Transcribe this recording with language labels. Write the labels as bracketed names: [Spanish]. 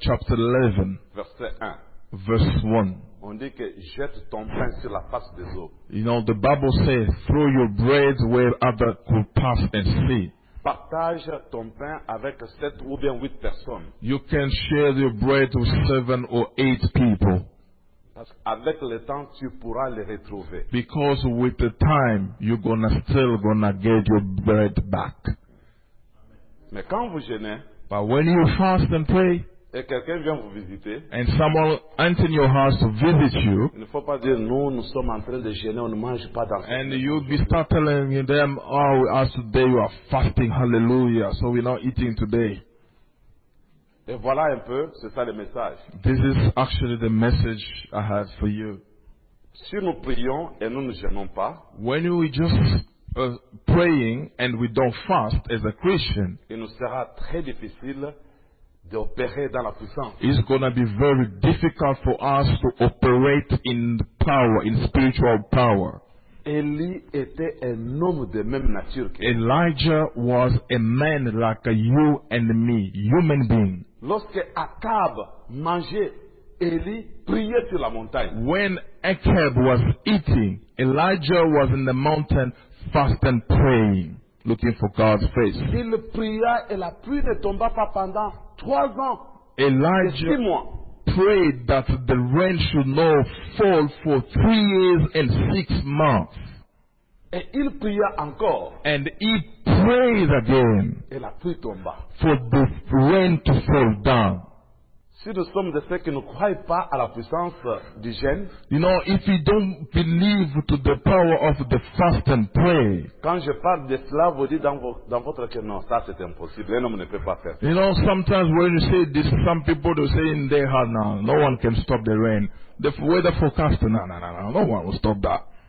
[English] chapter 11, verse 1, [French] on dit que jette ton pain sur la face des eaux. [English] You know, the Bible says, throw your bread where others could pass and see. [French] Partage ton pain avec 7 ou bien 8 personnes. [English] You can share your bread with 7 or 8 people. [French] Parce avec le temps, tu pourras les retrouver. [English] Because with the time, you're gonna still gonna get your bread back. [French] Mais quand vous jeûnez, [English] but when you fast and pray, [French] et quelqu'un vient vous visiter, [English] and someone enters your house to visit you, [French] il ne faut pas dire non, nous sommes en train de jeûner, on ne mange pas dans. [English] And you'll be start telling them, oh, as today you are fasting, hallelujah, so we're not eating today. [French] Et voilà un peu, c'est ça le message. [English] This is actually the message I have for you. [French] Si nous prions et nous ne jeûnons pas, [English] when we just praying and we don't fast as a Christian, [French] il nous sera très difficile d'opérer dans la puissance. [English] It's gonna be very difficult for us to operate in power, in spiritual power. [French] Élie était un homme de même nature. [English] Elijah was a man like you and me, human being. [French] Lorsque Achab mangeait, Élie priait sur la montagne. [English] When Achab was eating, Elijah was in the mountain fast and praying, looking for God's face. [French] Il pria et la pluie ne tomba pas pendant 3 ans. [English] Elijah prayed that the rain should not fall for 3 years and 6 months. [French] Et il pria encore. [English] And he prayed again. [French] Et la pluie tomba. [English] For the rain to fall down. [French] Si nous sommes de ceux qui ne croient pas à la puissance du jeûne, [English] you know, if you don't believe to the power of the fast and pray, [French] quand je parle de cela, vous dites dans votre cœur, non, ça c'est impossible, un homme ne peut pas faire ça. [English] You know, sometimes when you say this, some people will say in their heart, no, no one can stop the rain. The weather forecast, no one will stop that.